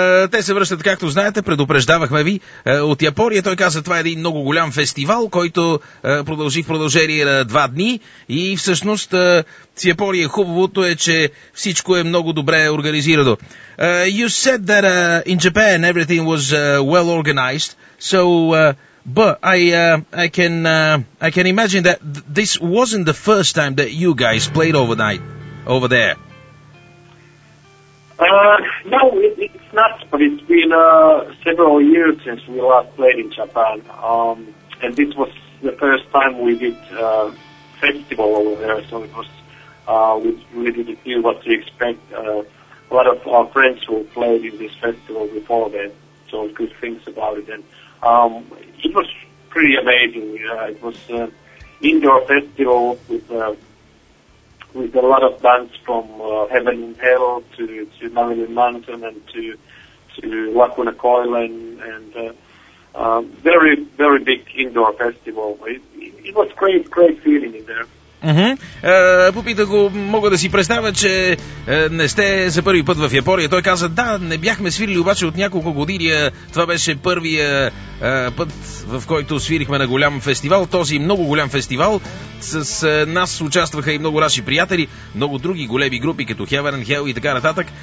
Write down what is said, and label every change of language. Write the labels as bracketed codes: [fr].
[bg] Те се връщат, както знаете, предупреждавахме ви от Япония. Той каза, това е един много голям фестивал, който продължи в продължение на 2 дни. И всъщност с Япония хубавото е, че всичко е много добре организирано. [en] You said that in Japan everything was well organized. So, but I can imagine that this wasn't the first time that you guys played overnight over there. No, it's not, but it's been several years since we last played in Japan, and this was the first time we did a festival over there, so it was, we didn't know what to expect. A lot of our friends who played in this festival before then told good things about it, and it was pretty amazing. It was an indoor festival with a lot of bands from Heaven and Hell to Marilyn Manson and to Lacuna Coil and very, very big indoor festival. It was great feeling in there. [bg] Попитах го, мога да си представя, че не сте за първи път в Япония. Той каза, да, не бяхме свирили обаче от няколко години. Това беше първия път, в който свирихме на голям фестивал. Този много голям фестивал. С нас участваха и много наши приятели, много други големи групи, като Heaven and Hell и така нататък.